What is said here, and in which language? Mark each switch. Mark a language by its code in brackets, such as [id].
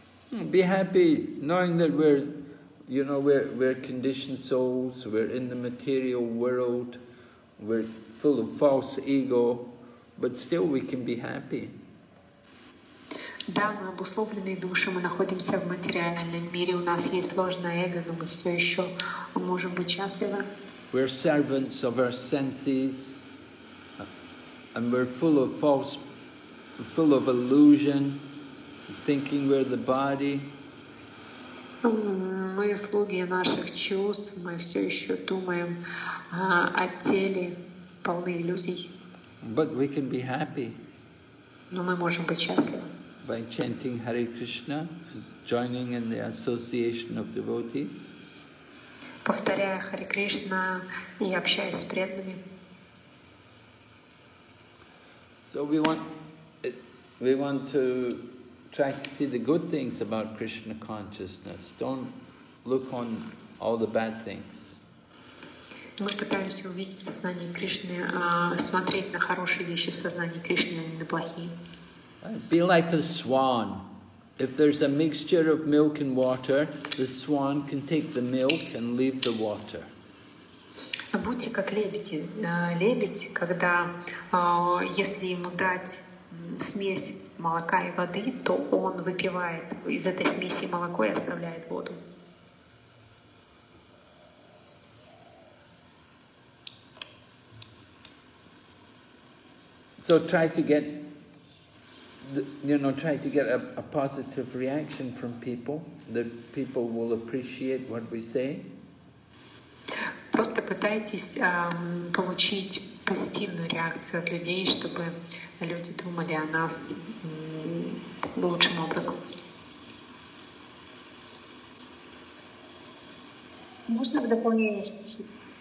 [en] Be happy, knowing that we're conditioned souls, we're in the material world, we're full of false ego, but still we can be happy. [ru] Да, мы обусловленные души, мы находимся в материальном мире, у нас есть сложное эго, но мы все еще можем быть счастливы. [en] We're servants of our senses, and we're full of false, full of illusion, thinking we're the body. [ru] Мы слуги наших чувств, мы все еще думаем о теле, полны иллюзий. [en] But we can be happy. [ru] Но мы можем быть счастливы. [en] By chanting Hare Krishna, joining in the association of devotees. [ru] Повторяя Hare Krishna и общаясь с преданными. [en] So we want to try to see the good things about Krishna consciousness. Don't look on all the bad things. [ru] Мы пытаемся увидеть в сознании Кришны, смотреть на хорошие вещи в сознании Кришны, а не на плохие. [en] Be like a swan. If there's a mixture of milk and water, the swan can take the milk and leave the water. [ru] Будьте как лебеди. Лебедь, когда если ему дать смесь молока и воды, то он выпивает из этой смеси молоко и оставляет воду. [en] So try to get you know, try to get a positive reaction from people, that people will appreciate what we say. [ru] Просто пытайтесь получить позитивную реакцию от людей, чтобы люди думали о нас лучшим образом. Можно в дополнение спросить?